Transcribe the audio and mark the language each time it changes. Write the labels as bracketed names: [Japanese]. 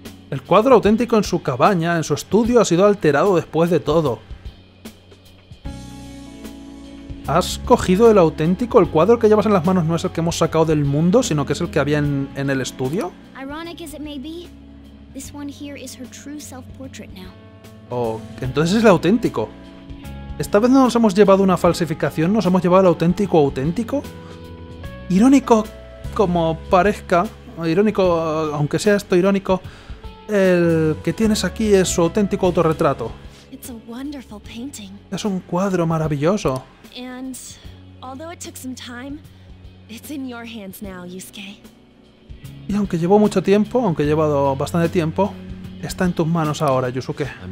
[Spanish] El cuadro auténtico en su cabaña, en su estudio, ha sido alterado después de todo. ¿Has cogido el auténtico? ¿El cuadro que llevas en las manos no es el que hemos sacado del mundo, sino que es el que había en el estudio? [English] Ironic as it may be, this one here is her true self-portrait now. [Spanish] Oh, entonces es el auténtico. Esta vez no nos hemos llevado una falsificación, nos hemos llevado el auténtico auténtico. Irónico como parezca, irónico, aunque sea esto irónico, el que tienes aquí es su auténtico autorretrato. [English] It's a wonderful painting. [Spanish] Es un cuadro maravilloso. [English] And although it took some time, it's in your hands now, Yusuke. [Spanish] Y aunque llevó mucho tiempo, aunque he llevado bastante tiempo, está en tus manos ahora, Yusuke.